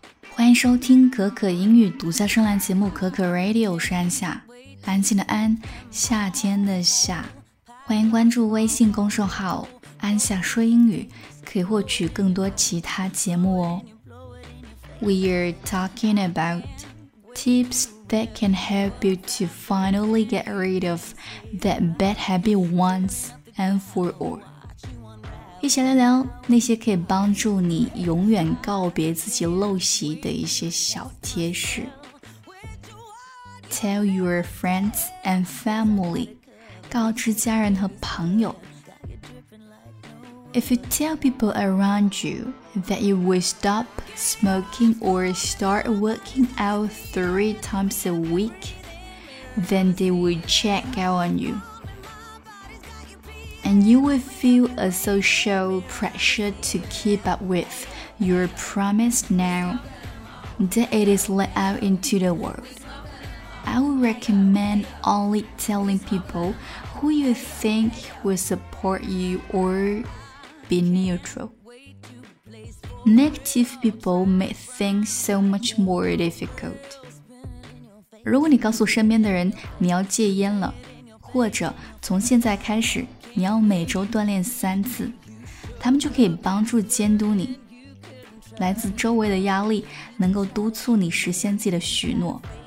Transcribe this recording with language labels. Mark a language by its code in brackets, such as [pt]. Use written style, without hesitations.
[zh] 欢迎收听可可英语独家声栏节目可可 Radio， 我是安夏，安静的安，夏天的夏。欢迎关注微信公众号安夏说英语，可以获取更多其他节目哦。 [en] We are talking about tips that can help you to finally get rid of that bad habit once and for all。 [zh] 一起来聊那些可以帮助你永远告别自己陋习的一些小贴士。 [en] Tell your friends and family， [zh] 告知家人和朋友。 [en] If you tell people around you that you will stop smoking or start working out 3 times a week, then they will check out on you. And you will feel a social pressure to keep up with your promise now that it is let out into the world. I would recommend only telling people who you think will support you or be neutral. Negative people make things so much more difficult. [zh] 如果你告诉身边的人你要戒烟了，或者从现在开始你要每周锻炼3次，他们就可以帮助监督你，来自周围的压力能够督促你实现自己的许诺。